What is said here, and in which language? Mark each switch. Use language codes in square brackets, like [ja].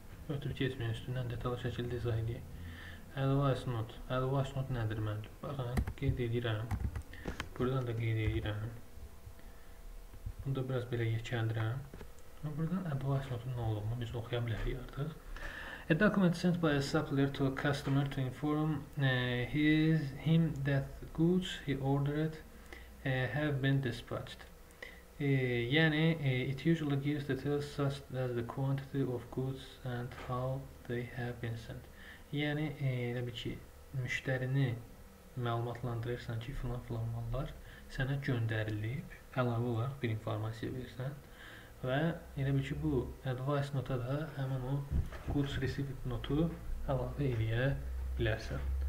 [az] Ötürü keçməyin üstündən detalı şəkildə izah edək. Advice note. Advice note nədir məndir? Baxın, qeyd edirəm. Buradan da qeyd edirəm. Bunu da biraz belə yekəndirəm. Buradan advice note nə olduğunu biz oxuya bilərik artıq. [en] A document sent by a supplier to a customer to inform him that goods he ordered have been dispatched. Yani it usually gives details such as the quantity of goods and how they have been sent. [az] Yani tabi ki müştərini məlumatlandırırsan ki filan filan mallar sənə göndərilib, əlavə olaraq bir informasiya verirsən. Və elə bil ki, bu advice nota da həmin o goods received notu əlavə eləyə bilərsən.